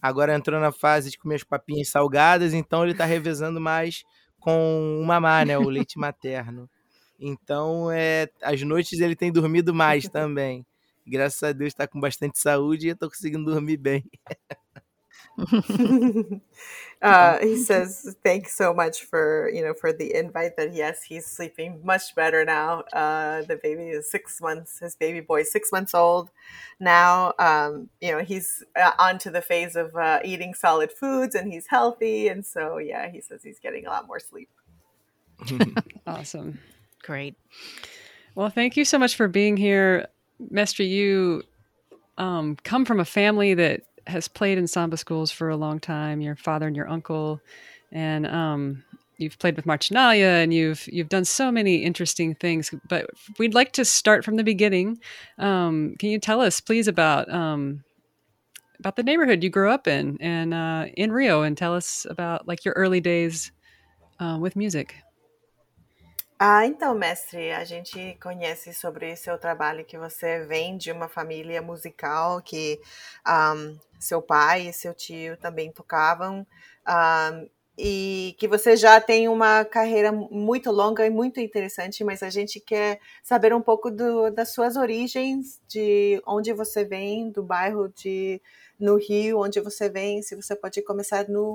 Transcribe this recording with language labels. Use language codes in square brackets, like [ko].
[pt] Agora entrou na fase de comer as papinhas salgadas, então ele está revezando mais com o mamar, né, o leite materno. Então, as noites ele tem dormido mais também. Graças a Deus está com bastante saúde e eu estou conseguindo dormir bem. [en] He says thanks so much for the invite. That yes, he's sleeping much better now. The baby is 6 months. His baby boy is 6 months old now. He's onto the phase of eating solid foods and he's healthy. And so yeah, he says he's getting a lot more sleep. Awesome, great. Well, thank you so much for being here, Mestre. You come from a family that has played in samba schools for a long time, your father and your uncle, and you've played with Marchinalia, and you've done so many interesting things, but we'd like to start from the beginning. Can you tell us, please, about the neighborhood you grew up in and in Rio, and tell us about like your early days with music? [pt] Então, Mestre, a gente conhece sobre seu trabalho que você vem de uma família musical que seu pai e seu tio também tocavam e que você já tem uma carreira muito longa e muito interessante, mas a gente quer saber um pouco das suas origens, de onde você vem, do bairro no Rio, onde você vem, se você pode começar